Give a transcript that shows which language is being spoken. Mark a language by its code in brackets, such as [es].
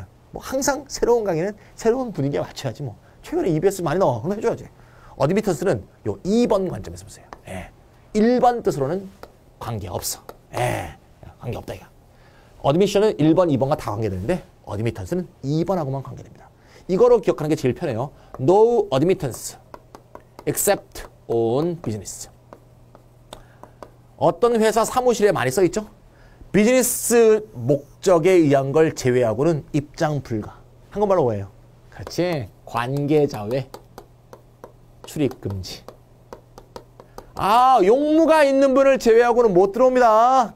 [ko] 뭐 항상 새로운 강의는 새로운 분위기에 맞춰야지 뭐. 최근에 EBS 많이 넣어. 그럼 해줘야지. 어드미턴스는 요 2번 관점에서 보세요. 예. 1번 뜻으로는 관계없어. 예. 관계없다 이거. 어드미션은 1번, 2번과 다 관계되는데 어드미턴스는 2번하고만 관계됩니다. 이거로 기억하는 게 제일 편해요. [en] No admittance except on business. [ko] 어떤 회사 사무실에 많이 써있죠? 비즈니스 목적에 의한 걸 제외하고는 입장 불가. 한국말로 뭐예요? 그렇지. 관계자외 출입금지. 아, 용무가 있는 분을 제외하고는 못 들어옵니다.